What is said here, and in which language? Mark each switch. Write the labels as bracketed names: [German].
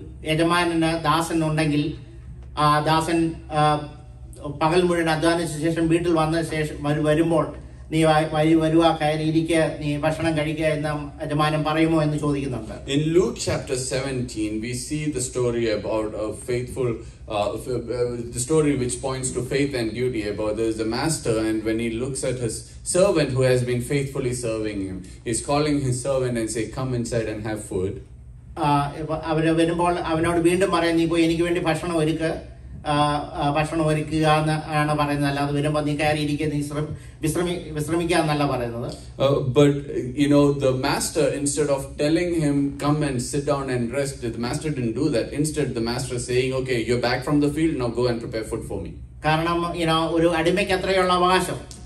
[Malayalam] യജമാനന് ദാസനുണ്ടെങ്കിൽ ആ ദാസൻ പകൽ മുഴുവൻ അധ്വാനിച്ച ശേഷം വീട്ടിൽ വന്ന ശേഷം വരുമ്പോൾ നീ വഴി വരുക, കയറി ഇരിക്കുക, നീ ഭക്ഷണം കഴിക്കുക എന്ന് യജമാനൻ പറയുമോ എന്ന് ചോദിക്കുന്നുണ്ട്. [English] In Luke chapter 17 we see the story about a faithful the story which points to faith and duty about there's a master, and when he looks at his servant who has been faithfully serving him, he's calling his servant and say, come inside and have food. [Malayalam] അവര് വരുമ്പോൾ അവനോട് വീണ്ടും പറയാം, നീ പോയി എനിക്ക് വേണ്ടി ഭക്ഷണം ഒരുക്കുക, ഭക്ഷണം ഒരുക്കുക എന്ന് ആണ് പറയുന്നത്. അല്ലാതെ വരുമ്പോ നീ കയറി ഇരിക്കുക, നീ വിശ്രമിക്കുക എന്നല്ല പറയുന്നത്. [English] But you know, the master, instead of telling him come and sit down and rest, the master didn't do that. Instead the master saying, okay, you're back from the field, now go and prepare food for me. [Malayalam] കാരണം ഇനോ ഒരു അടിമയ്ക്ക് എത്രയുള്ള അവകാശം.